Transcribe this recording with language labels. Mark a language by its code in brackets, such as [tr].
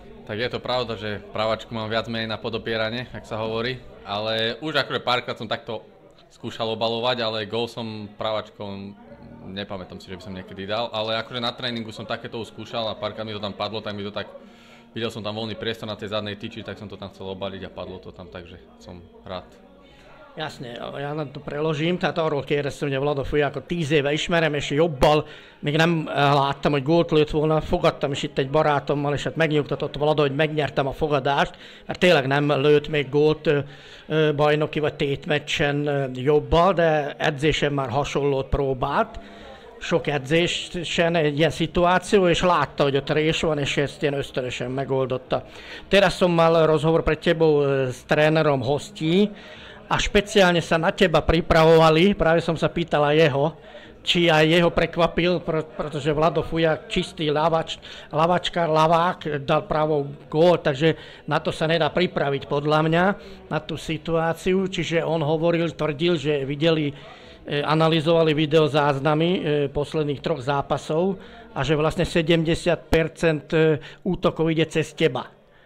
[sk] Tak je to pravda, že pravačku mám viac menej na podopieranie, ak sa hovorí, ale už akože párkrát som takto skúšal obalovať, ale gól som pravačkou, nepamätám si, že by som niekedy dal, ale akože na tréningu som takéto skúšal a párkrát mi to tam padlo, tak mi to tak, videl som tam voľný priestor na tej zadnej tyči, tak som to tam chcel obaliť a padlo to tam, takže som rád. Jasne, ja nám to preložím, [hu] tehát arról kérdeztem, hogy a Vlado Fujakot 10 éve ismerem, és jobban még nem láttam, hogy gólt lőtt volna, fogadtam is itt egy barátommal, és hát megnyugtatott Vlado, hogy megnyertem a fogadást, mert tényleg nem lőtt még gólt bajnoki vagy tétmeccsen jobban, de edzésen már hasonlót próbált, sok edzésen egy ilyen szituáció, és látta, hogy ott rés van, és ezt ilyen ösztönösen megoldotta. [sk] Teraz som mal rozhovor pre tebou s trénerom Hostí, a špeciálne sa na teba pripravovali, práve som sa pýtala jeho, či aj jeho prekvapil, pretože Vlado Fujak, čistý lavačkár, lavák, dal pravou gól, takže na to sa nedá pripraviť podľa mňa, na tú situáciu, čiže on hovoril, tvrdil, že videli, analyzovali videozáznamy posledných troch zápasov a že vlastne 70% útokov ide cez teba.